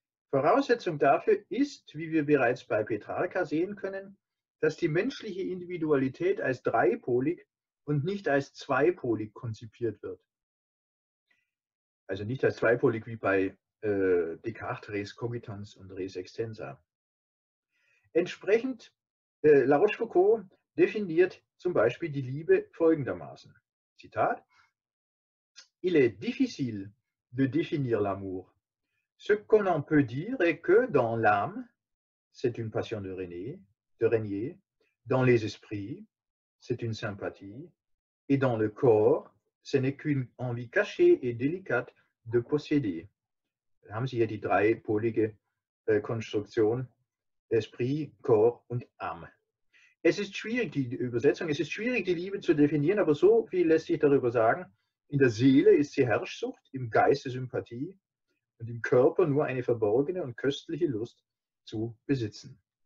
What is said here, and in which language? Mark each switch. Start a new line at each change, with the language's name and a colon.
German: Voraussetzung dafür ist, wie wir bereits bei Petrarca sehen können, dass die menschliche Individualität als dreipolig und nicht als zweipolig konzipiert wird. Also nicht als zweipolig wie bei Descartes, Res Cogitans und Res Extensa. Entsprechend, La Rochefoucauld definiert zum Beispiel die Liebe folgendermaßen. Zitat:
French: Il est difficile de définir l'amour. Ce qu'on en peut dire est que dans l'âme, c'est une passion de Renier, dans les esprits, c'est une sympathie, et dans le corps, ce n'est qu'une envie cachée et délicate de posséder.
German: Da haben Sie hier die dreipolige Konstruktion, Esprit, Corps und Âme. Es ist schwierig, die Übersetzung, es ist schwierig, die Liebe zu definieren, aber so viel lässt sich darüber sagen. In der Seele ist sie Herrschsucht, im Geiste Sympathie und im Körper nur eine verborgene und köstliche Lust zu besitzen.